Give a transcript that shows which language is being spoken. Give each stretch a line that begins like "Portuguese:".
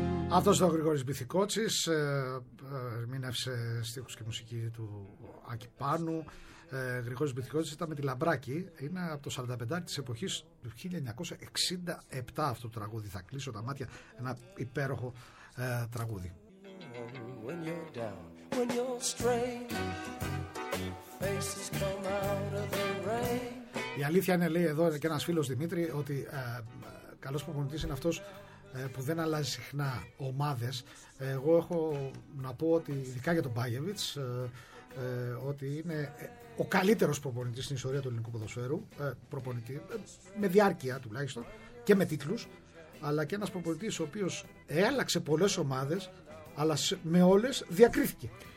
Greek: Αυτός ήταν ο Γρηγόρης Μπιθικότσης, ερμήνευσε στίχους και μουσική του Άκη Πάνου. Γρηγόρης Μπιθικότσης ήταν με τη Λαμπράκη, είναι από το 45 της εποχής του 1967 αυτό το τραγούδι. Θα κλείσω τα μάτια, ένα υπέροχο τραγούδι.
English: When you're down, when you're strange, faces come out of the rain.
Greek: Η αλήθεια είναι, λέει εδώ και ένας φίλος Δημήτρη, ότι καλός προπονητής είναι αυτός που δεν αλλάζει συχνά ομάδες. Εγώ έχω να πω ότι ειδικά για τον Μπάγεβιτς ότι είναι ο καλύτερος προπονητής στην ιστορία του ελληνικού ποδοσφαίρου, προπονητή με διάρκεια τουλάχιστον και με τίτλους, αλλά και ένας προπονητής ο οποίος έλαξε πολλές ομάδες αλλά με όλες διακρίθηκε.